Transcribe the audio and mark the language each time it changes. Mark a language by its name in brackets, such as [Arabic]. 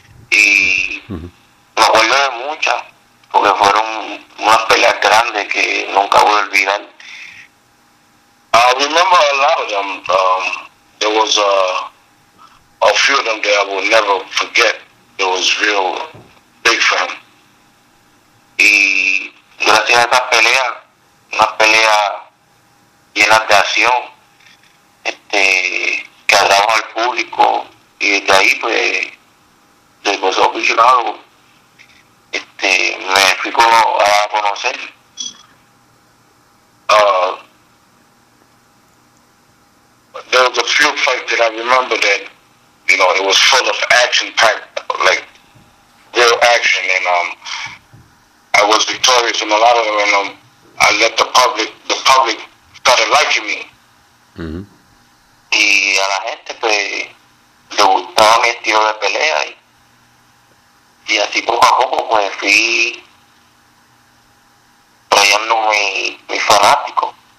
[Spanish] Y me acuerdo de muchas, porque fueron unas peleas grandes que nunca voy a olvidar. [English] I remember a lot of them. There was a few of them that I will never forget. It was real big for him. [Spanish] Y gracias a esas peleas, una pelea llena de acción, que agradaba al público, y desde ahí, pues, después de aficionado, me fui a conocer. [English] There was a few fights that I remember that, you know, it was full of action packed, like, real action, and I was victorious in a lot of them, and I let the public started liking me. Mm-hmm. [Spanish] Y a la gente, pues, le gustaba mi estilo de pelea. Y así poco a poco, pues, fui trayendo mi fanático.